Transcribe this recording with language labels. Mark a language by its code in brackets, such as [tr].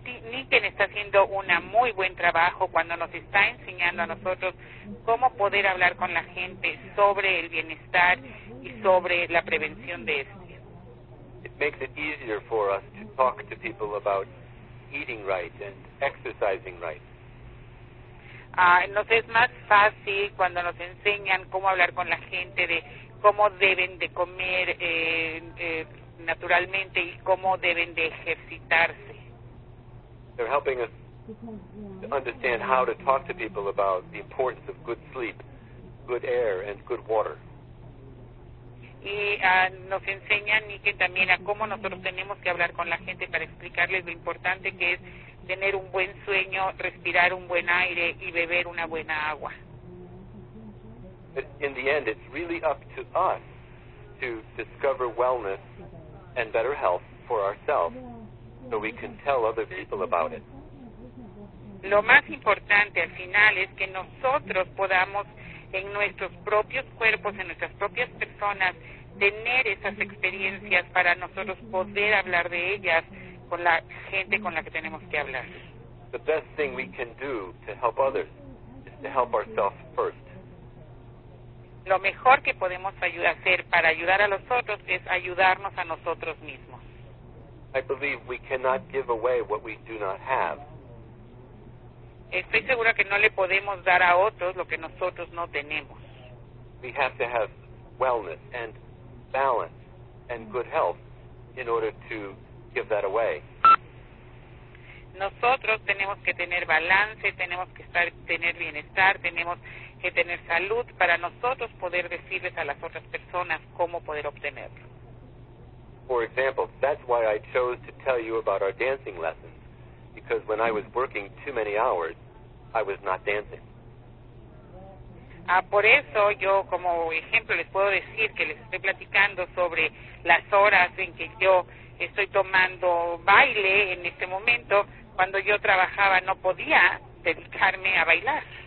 [es] Niken está haciendo un muy buen trabajo cuando nos está enseñando a nosotros cómo poder hablar con la gente sobre el bienestar y sobre la prevención de este. [en] It makes it easier for us to talk to people about eating right and exercising right. [es] Nos es más fácil cuando nos enseñan cómo hablar con la gente de cómo deben de comer naturalmente y cómo deben de ejercitarse. [en] They're helping us to understand how to talk to people about the importance of good sleep, good air, and good water. [es] Y nos enseñan y que también a cómo nosotros tenemos que hablar con la gente para explicarles lo importante que es tener un buen sueño, respirar un buen aire y beber una buena agua. [en] But in the end, it's really up to us to discover wellness and better health for ourselves, so we can tell other people about it. [es] Lo más importante al final es que nosotros podamos en nuestros propios cuerpos, en nuestras propias personas, tener esas experiencias para nosotros poder hablar de ellas con la gente con la que tenemos que hablar. [en] The best thing we can do to help others is to help ourselves first. [es] Lo mejor que podemos hacer para ayudar a los otros es ayudarnos a nosotros mismos. [en] I believe we cannot give away what we do not have. [es] Estoy segura que no le podemos dar a otros lo que nosotros no tenemos. [en] We have to have wellness and balance and good health in order to give that away. [es] Nosotros tenemos que tener balance, tenemos que tener bienestar, tenemos que tener salud para nosotros poder decirles a las otras personas cómo poder obtenerlo. [en] For example, that's why I chose to tell you about our dancing lessons, because when I was working too many hours, I was not dancing. [es] Por eso yo, como ejemplo, les puedo decir que les estoy platicando sobre las horas en que yo estoy tomando baile en este momento. Cuando yo trabajaba, no podía dedicarme a bailar.